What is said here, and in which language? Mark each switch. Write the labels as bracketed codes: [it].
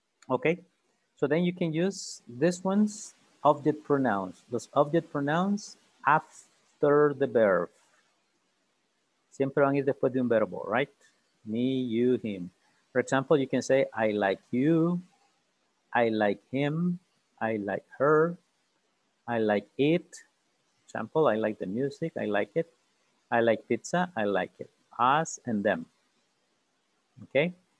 [en] Okay, so then you can use this one's object pronouns. Those object pronouns after the verb. [es] Siempre van a ir después de un verbo, right? [en] Me, you, him. For example, you can say, I like you, I like him, I like her, I like it. Example, I like the music, I like it. I like pizza, I like it. Us and them. Okay?